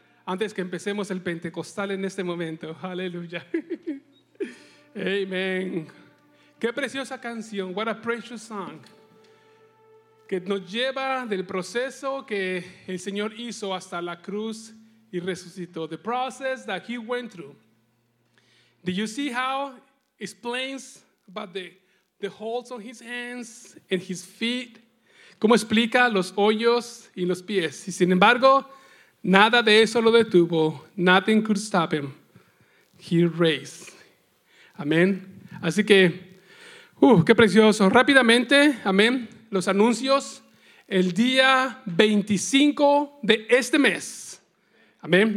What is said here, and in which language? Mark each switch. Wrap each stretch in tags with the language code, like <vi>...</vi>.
<es>Antes que empecemos el Pentecostal en este momento, aleluya. Amen. Qué preciosa canción,</es> <en>what a precious song.</en> <es>Que nos lleva del proceso que el Señor hizo hasta la cruz y resucitó.</es> <en>The process that he went through. Do you see how it explains about the holes on his hands and his feet?</en> <es>¿Cómo explica los hoyos y los pies? Y sin embargo, nada de eso lo detuvo.</es> <en>Nothing could stop him. He raised. Amén.</en> <es>Así que, qué precioso. Rápidamente, amén. Los anuncios, el día 25 de este mes. Amén.</es>